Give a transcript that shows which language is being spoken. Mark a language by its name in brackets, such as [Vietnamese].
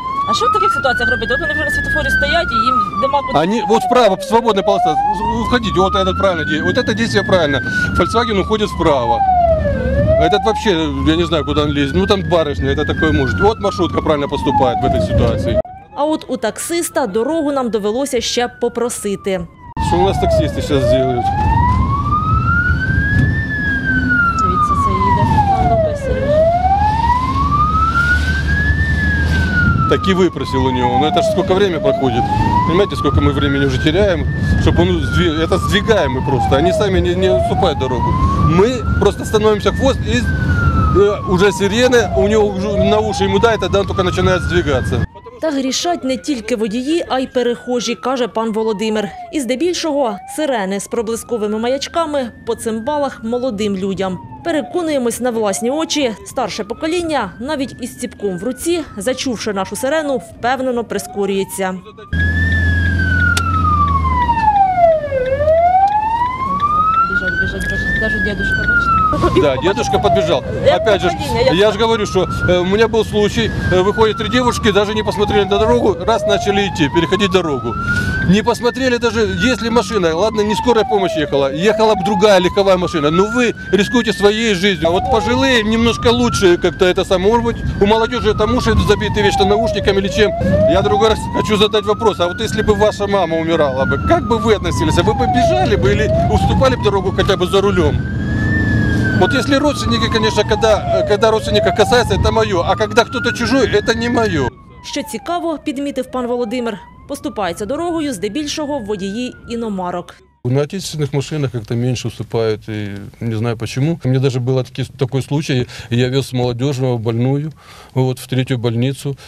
[Ukrainian] А що в таких ситуаціях робити? От вони вже на світофорі стоять і їм нема куди. Вони от вправо, свободна полоса. Уходіть, от це правильно діє. От це дійсно правильно. Volkswagen уходить вправо. [Russian] Этот вообще, я не знаю, [Ukrainian] куди він лізе. [Russian] Ну там барышня, это такое может. От маршрутка правильно поступає в этой ситуации. [Ukrainian] А от у таксиста дорогу нам довелося ще попросити. Що у нас таксисти зараз зроблять? [Russian] Так и выпросил у него. Но это же сколько время проходит. Понимаете, сколько мы времени уже теряем, чтобы он это сдвигаем мы просто. Они сами не уступают дорогу. Мы просто становимся хвост, и уже сирены у него уже на уши ему дают, тогда он только начинает сдвигаться. [Ukrainian] Та грішать не тільки водії, а й перехожі, каже пан Володимир. І здебільшого сирени з проблисковими маячками по цимбалах молодим людям. Переконуємось на власні очі, старше покоління навіть із ціпком в руці, зачувши нашу сирену, впевнено прискорюється. [Russian] Да, дедушка подбежал. Опять же, я же говорю, что у меня был случай, выходят три девушки, даже не посмотрели на дорогу, раз начали идти, переходить дорогу. Не посмотрели даже, есть ли машина, ладно, не скорая помощь ехала, ехала бы другая легковая машина, но вы рискуете своей жизнью. А вот пожилые немножко лучше как-то это самое, может быть, у молодежи там уши забиты вечно наушниками или чем. Я другой раз хочу задать вопрос, а вот если бы ваша мама умирала бы, как бы вы относились, вы бы бежали бы или уступали бы дорогу хотя бы за рулем? Вот если родственники, конечно, когда родственника касается, это мое, а когда кто-то чужой, это не мое. [Ukrainian] Що цікаво, підмітив пан Володимир, поступається дорогою здебільшого водії іномарок. [Russian] На отечественных машинах как-то меньше уступают, и не знаю почему. У меня даже был такой случай, я вез молодежного больную вот, в третью больницу.